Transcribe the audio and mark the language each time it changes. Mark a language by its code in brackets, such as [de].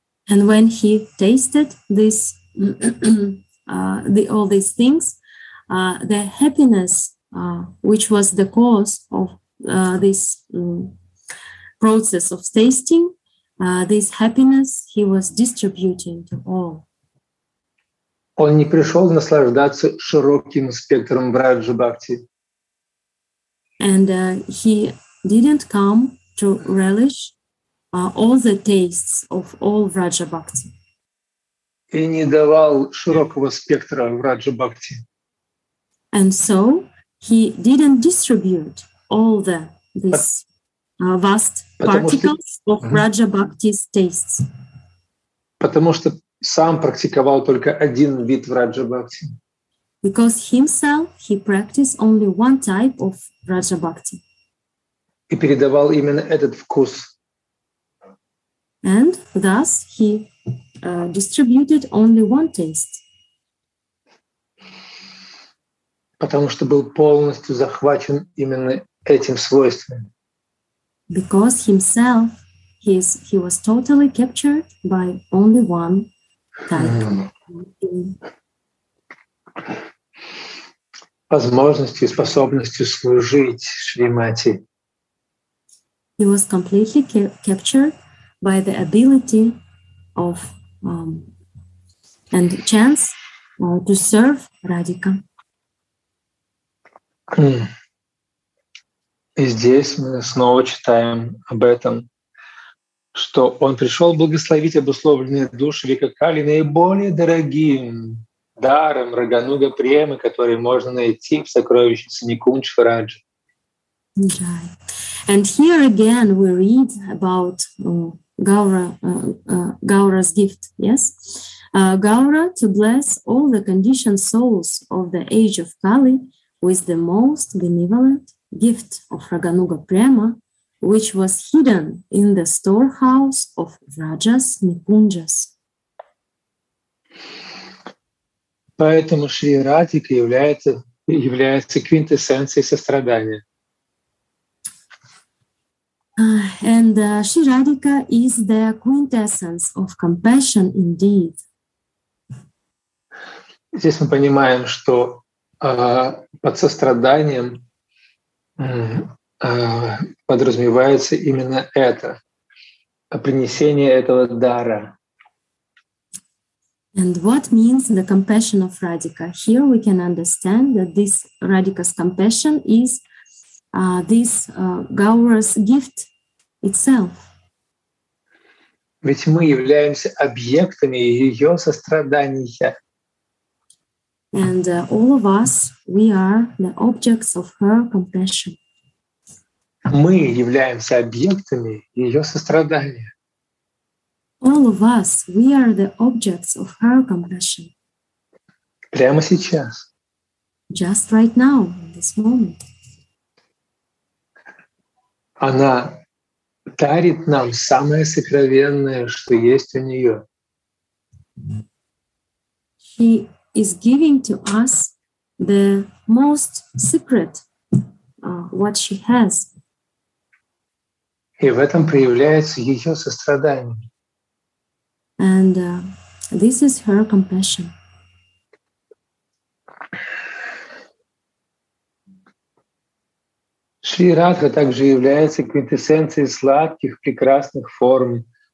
[en] And when he tasted this, all these things, the happiness, which was the cause of this process of tasting, this happiness he was distributing to all. [ru] Он не пришел наслаждаться широким спектром Враджа-бхакти. [en] And he didn't come to relish all the tastes of all Vraja Bhakti. [ru] И не давал широкого спектра Vraja Bhakti. [en] And so he didn't distribute all the this vast particles of Vraja Bhakti's tastes. [ru] Потому что сам практиковал только один вид Vraja Bhakti. [en] Because himself he practiced only one type of Vraja Bhakti. [ru] И передавал именно этот вкус. [en] And thus he distributed only one taste. [ru] Потому что был полностью захвачен именно этим свойством. [en] Because himself he was totally captured by only one type. [ru] Возможностью и способностью служить Шримати. [en] He was completely captured by the ability of and chance to serve Radhika. [ru] И здесь мы снова читаем об этом, что он пришел благословить обусловленные души Викакали наиболее дорогим даром Рагануга Премы, который можно найти в сокровищнице Никунч Враджа. [en] And here again we read about Gaura's gift, yes? Gaura to bless all the conditioned souls of the age of Kali with the most benevolent gift of Raganuga Prema, which was hidden in the storehouse of Vrajas Nipunjas. [ru] Поэтому Шри Радика является квинтэссенцией сострадания. [en] And Shri Radhika is the quintessence of compassion indeed. [ru] Здесь мы понимаем, что под состраданием подразумевается именно это, принесение этого дара. [en] And what means the compassion of Radhika? Here we can understand that this Radhika's compassion is this Gaura's gift itself. [ru] Ведь мы являемся объектами ее сострадания. [en] And all of us, we are the objects of her compassion. [ru] Мы являемся объектами ее сострадания. [en] All of us, we are the objects of her compassion. [ru] Прямо сейчас. [en] Just right now, in this moment. [ru] она дарит нам самое сокровенное, что есть у нее. [en] She is giving to us the most secret, what she has. [ru] И в этом проявляется ее сострадание. [en] And this is her compassion. [ru] Шри Радха также является квинтэссенцией сладких, прекрасных форм.